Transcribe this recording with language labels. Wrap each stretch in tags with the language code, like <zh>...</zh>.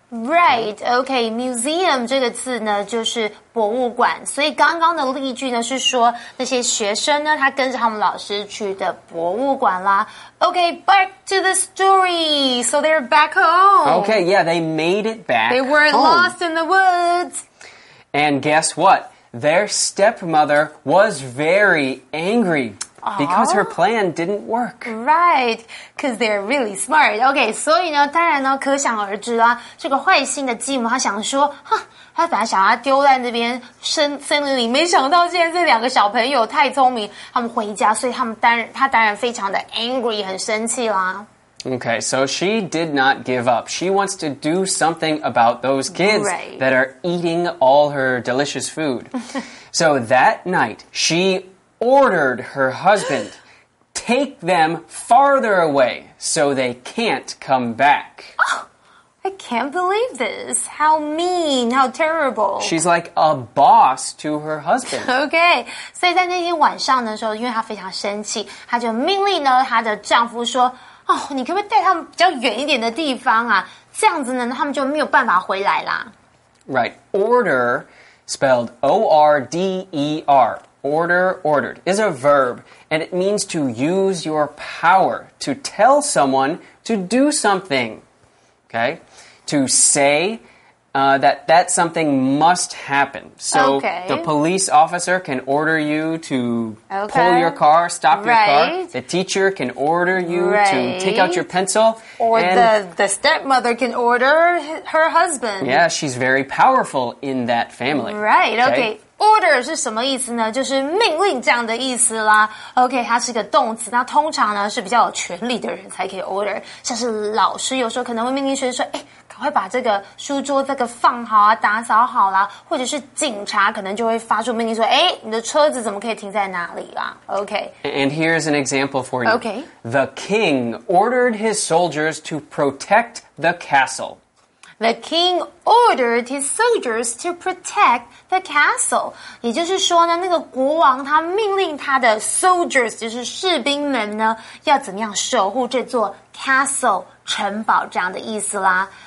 <zh>Right, okay, museum 这个字呢就是博物馆所以刚刚的例句呢是说那些学生呢他跟着他们老师去的博物馆啦</zh> <en>Okay, back to the story, so they're back home Okay, yeah, they made it back They were、 home. Lost in the woods And guess what? Their stepmother was very angryBecause her plan didn't work. Right, because they're really smart.</en> <zh>Okay, 所以呢当然呢可想而知啦这个坏心的继母他想说哼他本来想要丢在那边森林里没想到现在这两个小朋友太聪明他们回家所以他当然非常的 angry, 很生气啦。</zh> <en>Okay, so she did not give up. She wants to do something about those kids、 right. that are eating all her delicious food. So that night, sheordered her husband, take them farther away so they can't come back. Oh, I can't believe this. How mean, how terrible. She's like a boss to her husband.</en> <zh>Okay, 所以在那天晚上的时候因为她非常生气她就命令呢她的丈夫说、oh, 你可不可以带他们比较远一点的地方啊这样子呢他们就没有办法回来啦。</zh> <en>Right, order, spelled O-R-D-E-R. Order, ordered, is a verb, and it means to use your power, to tell someone to do something, okay? To say, that something must happen. So, okay. The police officer can order you to okay. pull your car, stop right. your car. The teacher can order you right. to take out your pencil. Or the stepmother can order her husband. Yeah, she's very powerful in that family.</en> <zh>Right, okay. Order 是什么意思呢？就是命令这样的意思啦。OK, 它是个动词，那通常呢是比较有权力的人才可以 order。像是老师有时候可能会命令学生说：“哎，赶快把这个书桌这个放好啊，打扫好啦。” 或者是警察可能就会发出命令说：“哎，你的车子怎么可以停在哪里啦 ？”OK。</zh> <en>And here's an example for you. OK. The king ordered his soldiers to protect the castle. The king ordered his soldiers to protect the castle.</en> <zh>也就是说呢，那个国王他命令他的 soldiers, 就是士兵们呢，要怎么样守护这座 castle, 城堡这样的意思啦。</zh>